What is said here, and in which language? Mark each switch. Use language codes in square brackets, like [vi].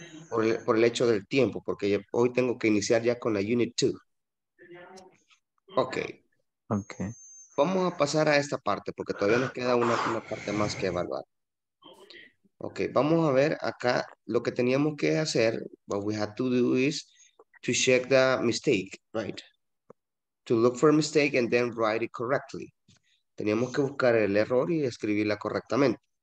[es] Por el hecho del tiempo, porque hoy tengo que iniciar ya con la Unit 2. Ok. Vamos a pasar a esta parte, porque todavía nos queda una parte más que evaluar. Ok, vamos a ver acá lo que teníamos que hacer. [en] What we had to do is to check the mistake, right? To look for a mistake and then write it correctly. [es] Teníamos que buscar el error y escribirla correctamente.